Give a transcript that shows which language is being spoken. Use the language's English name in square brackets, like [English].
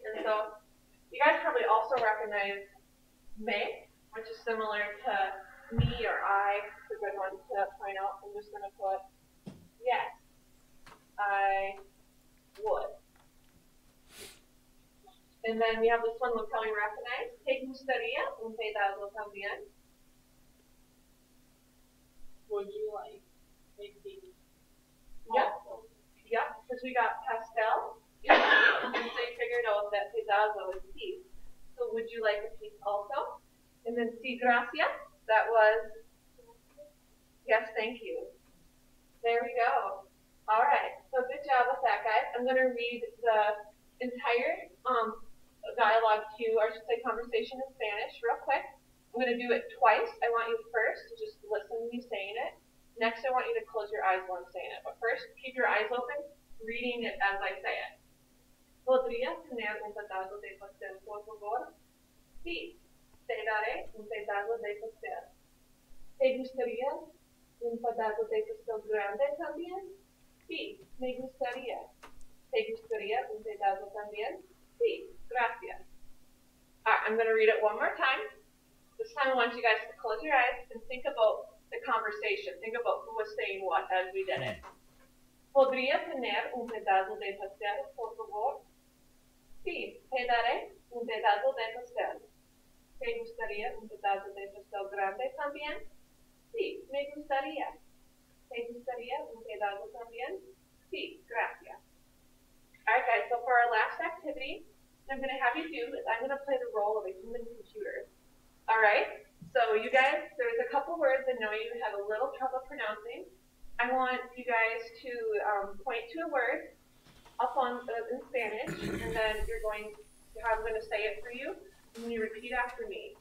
[English] And so you guys probably also recognize me, which is similar to me or I. It's a good one to point out. I'm just going to put yes, I would. And then we have this one we'll probably recognize. [Spanish] ¿Te gustaría un pedazo también? [English] Would you like maybe? Yep, because we got pastel. Yeah. And so you figured out that pedazo is piece. So would you like a piece also? And then [Spanish] sí, gracias. [English] That was? Yes, thank you. There we go. All right. So good job with that, guys. I'm going to read the entire dialogue to you, or I should say conversation in Spanish real quick. I'm going to do it twice. I want you first to just listen to me saying it. Next, I want you to close your eyes while I'm saying it. But first, keep your eyes open, reading it as I say it. [Spanish] ¿Podrías tener un pedazo de pastel, por favor? Sí, te daré un pedazo de pastel. ¿Te gustaría un pedazo de pastel grande también? Sí, me gustaría. ¿Te gustaría un pedazo también? Sí, gracias. [English] All right, I'm going to read it one more time. This time I want you guys to close your eyes and think about the conversation. Think about who was saying what as we did it. [Spanish] ¿Podría tener un pedazo de pastel, por favor? Sí, te daré un pedazo de pastel. ¿Te gustaría un pedazo de pastel grande también? Sí, me gustaría. ¿Te gustaría un pedazo también? Sí, gracias. [English] All right, guys, so for our last activity, I'm going to have you do is I'm going to play the role of a human computer. All right? So you guys, there's a couple words I know you have a little trouble pronouncing. I want you guys to point to a word up on in Spanish, and then you're going to have, I'm going to say it for you, and then you repeat after me.